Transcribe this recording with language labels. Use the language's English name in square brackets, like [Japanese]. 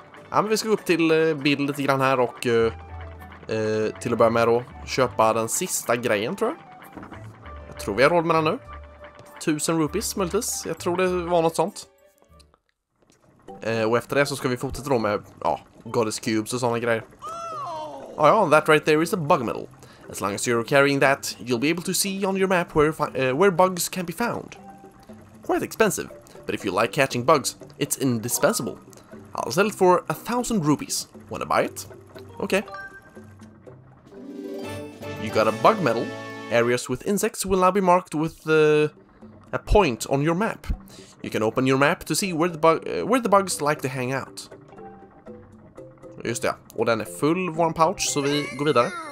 [Swedish] Ja, men vi ska gå upp till Beedle lite grann här och till att börja med då köpa den sista grejen, tror jag. Jag tror vi har råd med den nu. 1000 rupees möjligtvis. Jag tror det var något sånt. Och efter det så ska vi fortsätta då med goddess cubes och sådana grejer. [English] Oh ja, that right there is a bug middle. As long as you're carrying that, you'll be able to see on your map where bugs can be found. Quite expensive, but if you like catching bugs, it's indispensable. I'll sell it for 1000 rupees. Wanna buy it? Okay. You got a bug medal. Areas with insects will now be marked with a point on your map. You can open your map to see where the bugs like to hang out. [Swedish] Just det. Och den är full warm pouch, så vi går vidare.